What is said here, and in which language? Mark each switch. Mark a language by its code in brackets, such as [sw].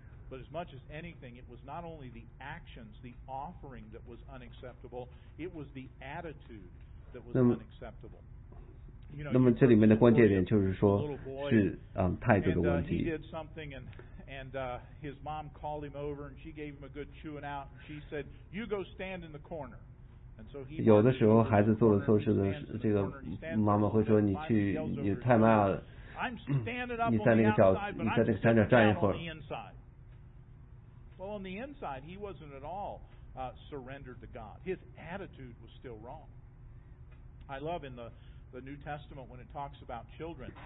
[en] But as much as anything, it was not only the actions, the offering that was unacceptable, it was the attitude that was unacceptable. [zh] 那么这里面的关键点就是说，是态度的问题。 [en] He did something and his mom called him over and she gave him a good chewing out and she said, you go stand in the corner. And so he [zh] 有的时候孩子做了错事的，这个妈妈会说你去，你太慢了，你在那个角，你在那个墙角站一会儿。 [en] Well, on the inside, he wasn't at all surrendered to God. His attitude was still wrong. I love in the New Testament when it talks about children.